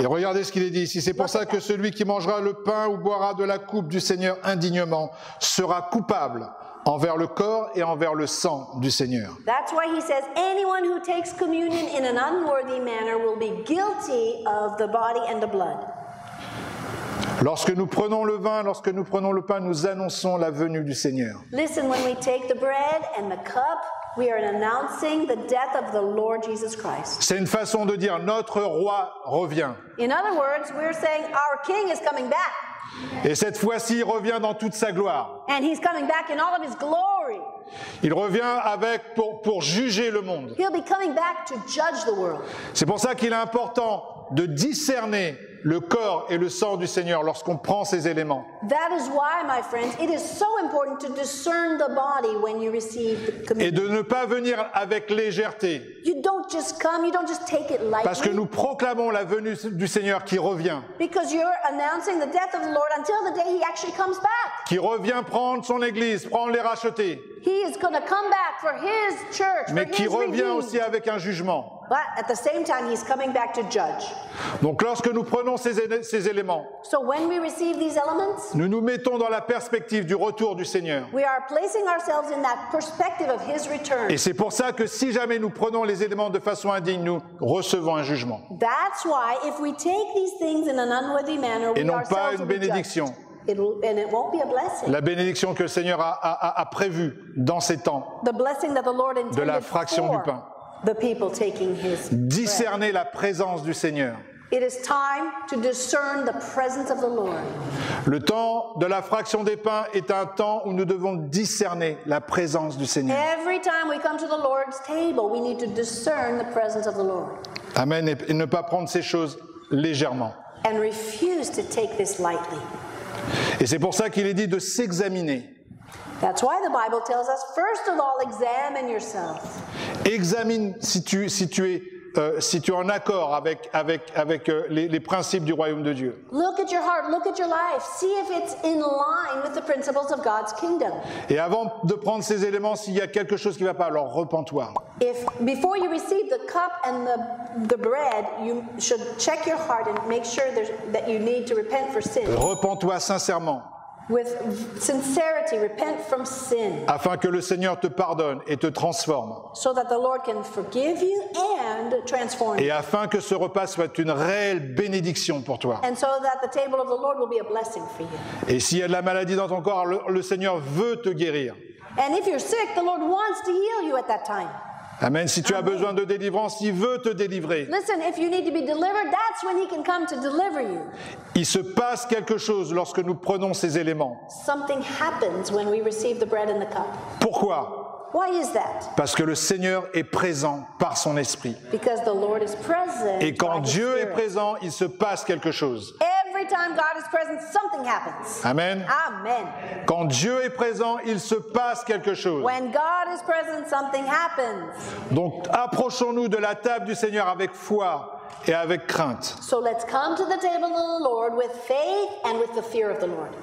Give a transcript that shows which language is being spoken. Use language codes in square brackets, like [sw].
[fr] Et regardez ce qu'il est dit ici. C'est pour ça que celui qui mangera le pain ou boira de la coupe du Seigneur indignement sera coupable. Envers le corps et envers le sang du Seigneur. [en] That's why he says anyone who takes communion in an unworthy manner will be guilty of the body and the blood. [fr] Lorsque nous prenons le vin, lorsque nous prenons le pain, nous annonçons la venue du Seigneur. [en] Listen, when we take the bread and the cup, we are announcing the death of the Lord Jesus Christ. [fr] C'est une façon de dire notre roi revient. [en] In other words, we're saying our king is coming back. [fr] Et cette fois-ci, il revient dans toute sa gloire. [en] And he's coming back in all of his glory. [fr] Il revient avec pour juger le monde. [en] He'll be coming back to judge the world. [fr] C'est pour ça qu'il est important de discerner le corps et le sang du Seigneur lorsqu'on prend ces éléments. [en] That is why, my friends, it is so important to discern the body when you receive the communion. [fr] Et de ne pas venir avec légèreté. [en] You don't just come, you don't just take it lightly. [fr] Parce que nous proclamons la venue du Seigneur qui revient. [en] Because you're announcing the death of the Lord until the day he actually comes back. [fr] Qui revient prendre son église, prendre les rachetés. [en] He is going to come back for his church. [fr] Mais [en] for [fr] qui [en] his [fr] revient [en] redeemed. [fr] Aussi avec un jugement. [en] But at the same time, he's coming back to judge. [fr] Donc lorsque nous prenons ces éléments, [en] so when we receive these elements, [fr] nous nous mettons dans la perspective du retour du Seigneur. [en] We are placing ourselves in that perspective of his return. [fr] Et c'est pour ça que si jamais nous prenons les éléments de façon indigne, nous recevons un jugement. [en] That's why if we take these things in an unworthy manner, [fr] et non pas une bénédiction. [en] And it won't be a blessing. [fr] La bénédiction que le Seigneur a prévue dans ces temps [en] the blessing that the Lord intended [fr] de la fraction du pain. [en] The people taking his [fr] discerner [en] bread. [fr] La présence du Seigneur. [en] It is time to discern the presence of the Lord. [fr] Le temps de la fraction des pains est un temps où nous devons discerner la présence du Seigneur. [en] Every time we come to the Lord's table, we need to discern the presence of the Lord. [fr] Amen. Et ne pas prendre ces choses légèrement. [en] And refuse to take this lightly. [fr] Et c'est pour ça qu'il est dit de s'examiner. [en] That's why the Bible tells us, first of all, examine yourself. [fr] Examine si tu es si tu es en accord avec les principes du royaume de Dieu. [en] Look at your heart, look at your life, see if it's in line with the principles of God's kingdom. [fr] Et avant de prendre ces éléments, s'il y a quelque chose qui ne va pas, alors repens-toi. [en] If before you receive the cup and the bread, you should check your heart and make sure that you need to repent for sin. [fr] Repens-toi sincèrement. [en] With sincerity, repent from sin. [fr] Afin que le Seigneur te pardonne et te transforme. [en] So that the Lord can forgive you and transform you. [fr] Et afin que ce repas soit une réelle bénédiction pour toi. [en] And so that the table of the Lord will be a blessing for you. [fr] Et s'il y a de la maladie dans ton corps, le Seigneur veut te guérir. [en] And if you're sick, the Lord wants to heal you at that time. [fr] Amen. Si tu as besoin de délivrance, il veut te délivrer. [en] Listen, if you need to be delivered, that's when he can come to deliver you. [fr] Il se passe quelque chose lorsque nous prenons ces éléments. [en] Something happens when we receive the bread and the cup. [fr] Pourquoi? [en] Why is that? [fr] Parce que le Seigneur est présent par son esprit. [en] Because the Lord is present. [fr] Et quand Dieu est présent, il se passe quelque chose. [en] Every time God is present, something happens. [fr] Amen. [en] Amen. [fr] Quand Dieu est présent, il se passe quelque chose. [en] When God is present, something happens. [fr] Donc approchons-nous de la table du Seigneur avec foi et avec crainte. [en] So let's come to the table of the Lord with faith and with the fear of the Lord.